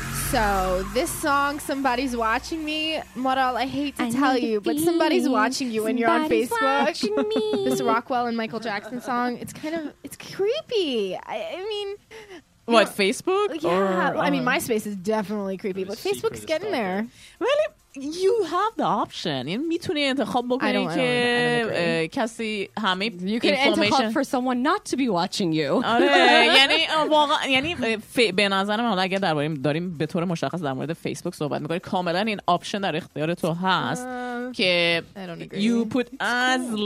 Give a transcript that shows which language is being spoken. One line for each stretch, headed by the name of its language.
English: So this song, Somebody's Watching Me, Maral, I hate to tell you, but Somebody's Watching You when you're on Facebook. This Rockwell and Michael Jackson song, it's kind of, it's creepy. I mean... What, Facebook? Yeah, I mean, MySpace is definitely creepy, but Facebook's getting there. Well, you have the option.
Persian: میتونی انتخاب بکنی که کسی همه
English: You can انتخاب for someone not to be watching you.
Persian: آره، یعنی به نظرم حالا اگر داریم به طور مشخص در مورد فیسبوک صحبت میکنی، کاملا این آپشن در اختیار تو هست که you put as